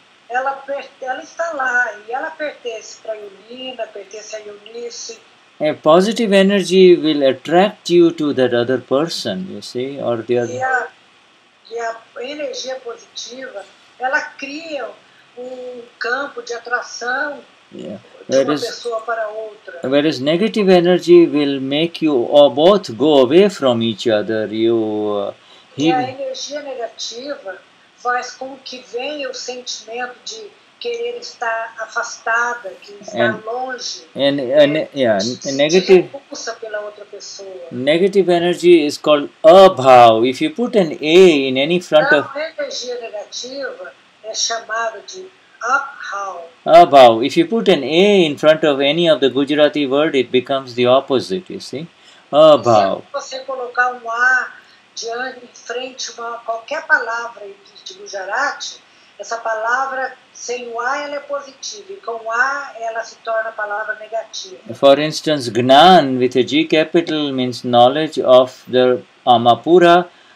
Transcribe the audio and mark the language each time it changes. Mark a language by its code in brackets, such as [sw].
[pt] Ela está lá e ela pertence para a Yulina, pertence a Eunice. [en] A positive energy will attract you to that other person, you see, or the other. [pt] E a energia positiva, ela cria campo de atração pessoa para outra. [en] Whereas negative energy will make you or both go away from each other. [pt] E a energia negativa faz com que venha o sentimento de querer estar afastada, que está longe. [en] Negative [pt] repulsa pela outra pessoa. [en] Negative energy is called abhav. If you put an A in any front of [pt] energia negativa é chamada de abhav. [gu] Abhav. [en] If you put an A in front of any of the Gujarati word, it becomes the opposite, you see? [gu] Abhav. [pt] Se você colocar A em frente a qualquer palavra de Gujarati, essa palavra sem o A ela é positiva, e com o A ela se torna palavra negativa. [en] For instance, Gnan with a G capital means knowledge of the Amapura.